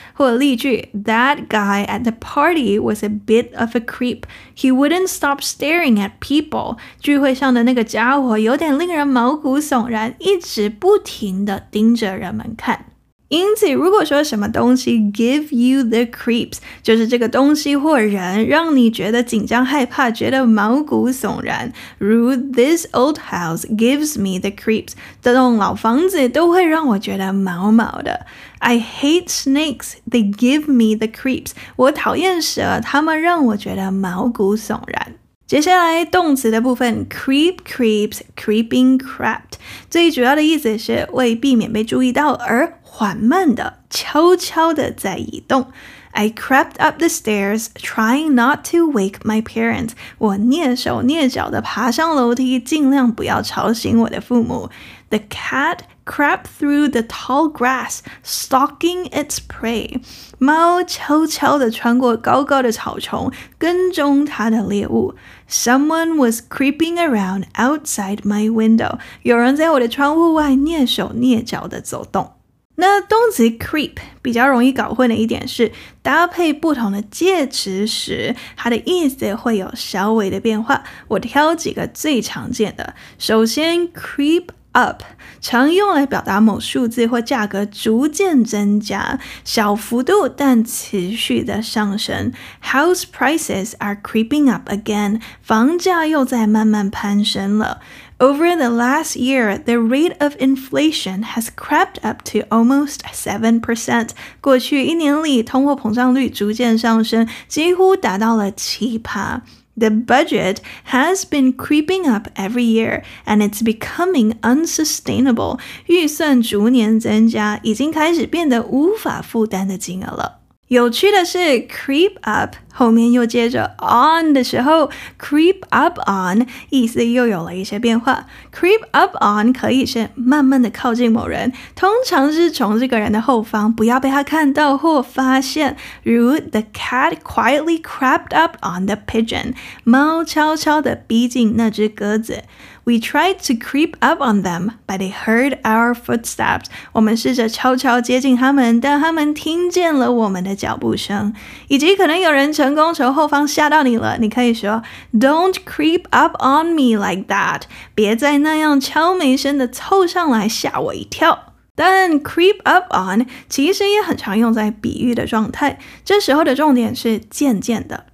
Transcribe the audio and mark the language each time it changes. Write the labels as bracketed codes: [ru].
[zh] 或例句 [en] That guy at the party was a bit of a creep. He wouldn't stop staring at people. [zh] 聚会上的那个家伙有点令人毛骨悚然，一直不停地盯着人们看。因此如果说什么东西 [en] give you the creeps, [zh] 就是这个东西或人让你觉得紧张害怕觉得毛骨悚然。如 [en] this old house gives me the creeps, [zh] 这栋老房子都会让我觉得毛毛的。 [en] I hate snakes, they give me the creeps, [zh] 我讨厌蛇他们让我觉得毛骨悚然。接下来动词的部分 creep creeps, creeping crept, 最主要的意思是为避免被注意到而缓慢的悄悄的在移动。 [en] I crept up the stairs, trying not to wake my parents. [zh] 我蹑手蹑脚地爬上楼梯，尽量不要吵醒我的父母。 [en] The cat crept through the tall grass, stalking its prey. [zh] 猫悄悄地穿过高高的草丛，跟踪它的猎物。 [en] Someone was creeping around outside my window. [zh] 有人在我的窗户外蹑手蹑脚地走动。那动词 creep 比较容易搞混的一点是搭配不同的介词时它的意思会有稍微的变化，我挑几个最常见的。首先 creep up 常用来表达某数字或价格逐渐增加，小幅度但持续的上升。 [en] House prices are creeping up again, [zh] 房价又在慢慢攀升了。 [en] Over the last year, the rate of inflation has crept up to almost 7%. [zh] 过去一年里，通货膨胀率逐渐上升，几乎达到了7%。 [en] The budget has been creeping up every year, and it's becoming unsustainable. [zh] 预算逐年增加，已经开始变得无法负担的金额了。有趣的是 creep up 后面又接着 on 的时候 creep up on 意思又有了一些变化。 creep up on 可以是慢慢的靠近某人，通常是从这个人的后方，不要被他看到或发现。如 [en] the cat quietly crept up on the pigeon, [zh] 猫悄悄地逼近那只鸽子。 [en] We tried to creep up on them, but they heard our footsteps. [zh] 我们试着悄悄接近他们，但他们听见了我们的脚步声。以及可能有人成功从后方吓到你了，你可以说 [en] Don't creep up on me like that. [zh] 别再那样悄没声地凑上来吓我一跳。但 creep up on 其实也很常用在比喻的状态，这时候的重点是渐渐的。